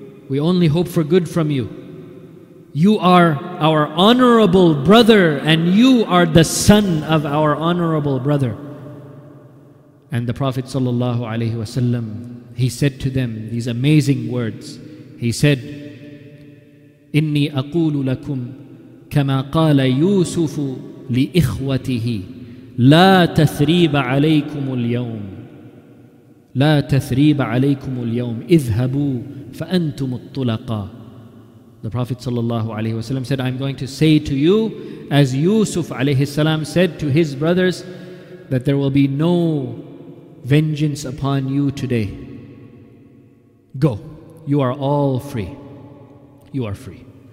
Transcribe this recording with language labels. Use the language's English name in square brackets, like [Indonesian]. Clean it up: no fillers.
[English] We only hope for good from you. You are our honorable brother and you are the son of our honorable brother." And the Prophet sallallahu alayhi wasallam, he said to them these amazing words. He said, [Arabic] "إِنِّي أَقُولُ لَكُمْ كَمَا قَالَ يُوسُفُ لإخوته لا تثريب عليكم اليوم لا تثريب عليكم اليوم اذهبوا فأنتم الطلقاء." [English] The Prophet sallallahu alayhi wasallam said, "I'm going to say to you as Yusuf alayhi salam said to his brothers that there will be no vengeance upon you today. Go, you are all free. You are free."